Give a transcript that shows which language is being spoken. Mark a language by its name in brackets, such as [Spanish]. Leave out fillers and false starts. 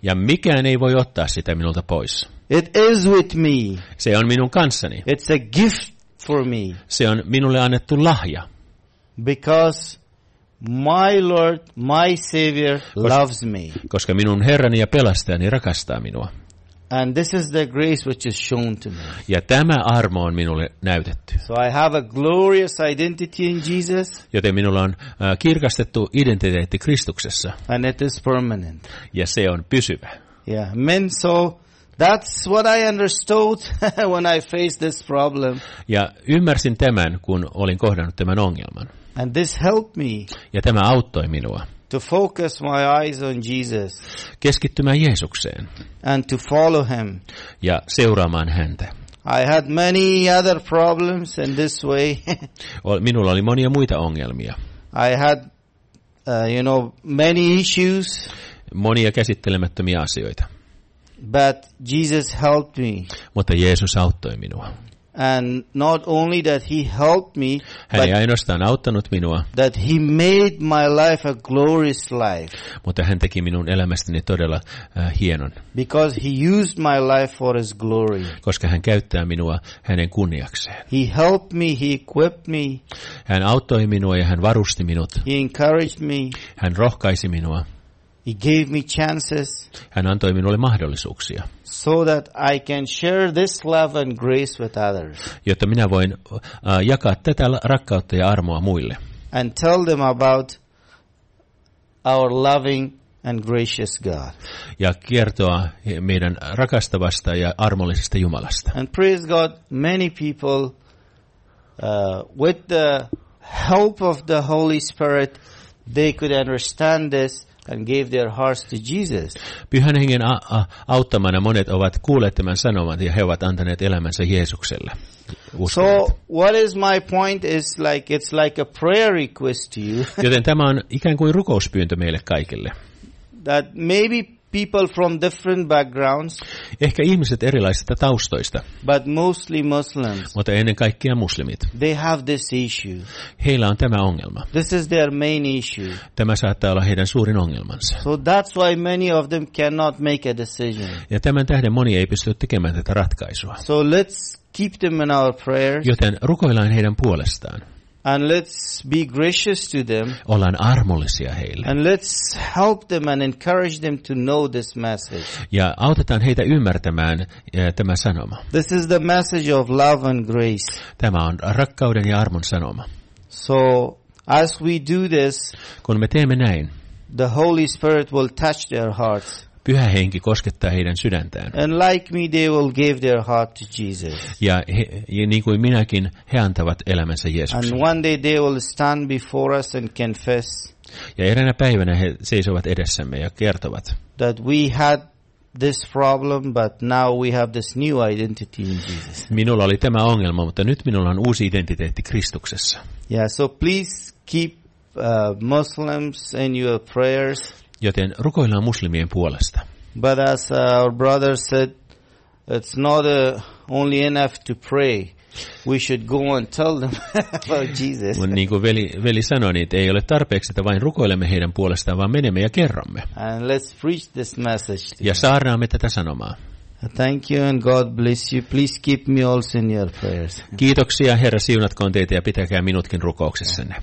[Finnish] Ja mikään ei voi ottaa sitä minulta pois. [English] It is with me. [Finnish] Se on minun kanssani. [English] It's a gift. For me. [Finnish] Se on minulle annettu lahja. [English] Because my Lord, my Savior loves me. [Finnish] Koska minun Herrani ja pelastajani rakastaa minua. [English] And this is the grace which is shown to me. [Finnish] Ja tämä armo on minulle näytetty. [English] So I have a glorious identity in Jesus. [Finnish] Joten minulla on kirkastettu identiteetti Kristuksessa. [English] And it is permanent. [Finnish] Ja se on pysyvä. [English] Yeah, men so. That's what I understood when I faced this problem. [Finnish] Ja ymmärsin tämän, kun olin kohdannut tämän ongelman. [English] And this helped me. [Finnish] Ja tämä auttoi minua. [English] To focus my eyes on Jesus. [Finnish] Keskittymään Jeesukseen. [English] And to follow him. [Finnish] Ja seuraamaan häntä. [English] I had many other problems in this way. [Finnish] Minulla oli monia muita ongelmia. [English] I had many issues. [Finnish] Monia käsittelemättömiä asioita. [English] But Jesus helped me. [Finnish] Mutta Jeesus auttoi minua. [English] And not only that he helped me, [Finnish] hän ei ainoastaan auttanut minua. [English] That he made my life a glorious life. [Finnish] Mutta hän teki minun elämästäni todella hienon. [English] Because he used my life for his glory. [Finnish] Koska hän käyttää minua hänen kunniakseen. [English] He helped me, he equipped me. [Finnish] Hän auttoi minua ja hän varusti minut. [English] He encouraged me. [Finnish] Hän rohkaisi minua. [English] He gave me chances. [Finnish] Hän antoi minulle mahdollisuuksia. [English] So that I can share this love and grace with others. [Finnish] Jotta minä voin jakaa tätä rakkautta ja armoa muille. [English] And tell them about our loving and gracious God. [Finnish] Ja kertoa meidän rakastavasta ja armollisesta Jumalasta. [English] And praise God, many people with the help of the Holy Spirit, they could understand this and gave their hearts to Jesus. [Finnish] Pyhän Hengen auttamana monet ovat kuulleet tämän sanoman ja he ovat antaneet elämänsä Jeesukselle. Uskonut. [English] So what is my point is like it's like a prayer request to you. [Finnish] Joten tämä on ikään kuin rukouspyyntö meille kaikille. [English] That maybe people from different backgrounds. [Finnish] Ehkä ihmiset erilaisista taustoista. [English] But mostly Muslims. [Finnish] Mutta ennen kaikkea muslimit. [English] They have this issue. [Finnish] Heillä on tämä ongelma. [English] This is their main issue. [Finnish] Tämä saattaa olla heidän suurin ongelmansa. [English] So that's why many of them cannot make a decision. [Finnish] Ja tämän tähden moni ei pysty tekemään tätä ratkaisua. [English] So let's keep them in our prayers. [Finnish] Joten rukoillaan heidän puolestaan. [English] And let's be gracious to them. [Finnish] Ollaan armollisia heille. [English] And let's help them and encourage them to know this message. [Finnish] Ja autetaan heitä ymmärtämään tämä sanoma. [English] This is the message of love and grace. [Finnish] Tämä on rakkauden ja armon sanoma. [English] So as we do this, [Finnish] kun me teemme näin, [English] the Holy Spirit will touch their hearts. [Finnish] Pyhä Henki koskettaa heidän sydäntään. [English] And like me, they will give their heart to Jesus. [Finnish] Ja niin kuin minäkin, he antavat elämänsä Jeesukselle. [English] And one day they will stand before us and confess. [Finnish] Ja eräänä päivänä he seisovat edessämme ja kertovat. [English] That we had this problem, but now we have this new identity in Jesus. [Finnish] Minulla oli tämä ongelma, mutta nyt minulla on uusi identiteetti Kristuksessa. [English] Yeah, so please keep Muslims in your prayers. [Finnish] Joten rukoillaan muslimien puolesta. [English] But as our brother said, it's not only enough to pray. We should go and tell them about Jesus. [Finnish] Niin kuin veli sanoi, niin ei ole tarpeeksi, että vain rukoilemme heidän puolestaan, vaan menemme ja kerromme. [English] And let's preach this message. [Finnish] Ja saarnaamme tätä sanomaa. [English] Thank you and God bless you. Please keep me also in your prayers. [Finnish] Kiitoksia, Herra, siunatkoon teitä ja pitäkää minutkin rukouksessanne.